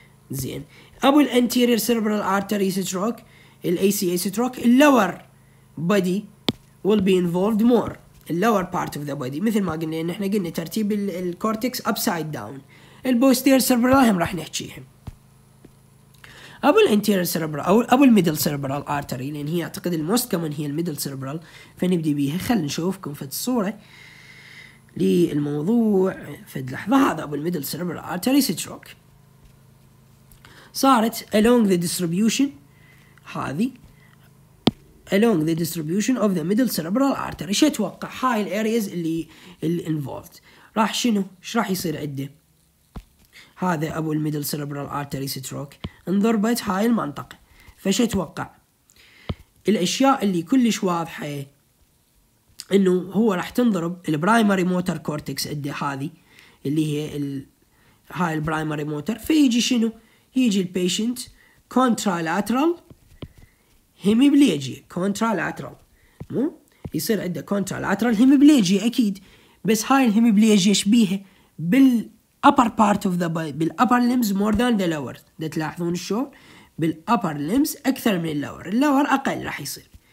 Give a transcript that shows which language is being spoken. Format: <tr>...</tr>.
<ar>زين أبو الأنتيرير سيربرال آرتري ستروك الACA ستروك اللور</ar> <en>body will be involved more lower part of the body،</en> <ar>مثل ما قلنا ان احنا قلنا ترتيب الكورتكس</ar> <en>upside down.</en> <ar>البوستير سيربرال هم راح نحكيهم، ابو الانتيرير سيربرال او ابو الميدل سيربرال ارتري لان هي اعتقد الموست كومن هي الميدل سيربرال، فنبدي بيها. خلينا نشوفكم في الصوره للموضوع في اللحظه. هذا ابو الميدل سيربرال ارتري ستروك صارت</ar> <en>along the distribution، هذه along the distribution of the middle cerebral artery.</en> <ar>شو اتوقع هاي الارياز اللي involved راح شنو ايش راح يصير عندي؟ هذا ابو الميدل سيربرال ارتري ستروك انضربت هاي المنطقه، فش اتوقع الاشياء اللي كلش واضحه انه هو راح تنضرب البرايمري موتر كورتكس عندي، هذه اللي هي هاي البرايمري موتر، فيجي شنو يجي البيشنت كونترالاترال هيمبليجيا، كونترالاترال مو يصير عنده كونترالاترال هيمبليجيا اكيد، بس هاي الهيمبليجيا شبيهه</ar> <en>بالابر part of the بالابر limbs more than the lower,</en> <ar>تلاحظون شلون بالابر لمز اكثر من اللور، اللور اقل راح يصير.</ar>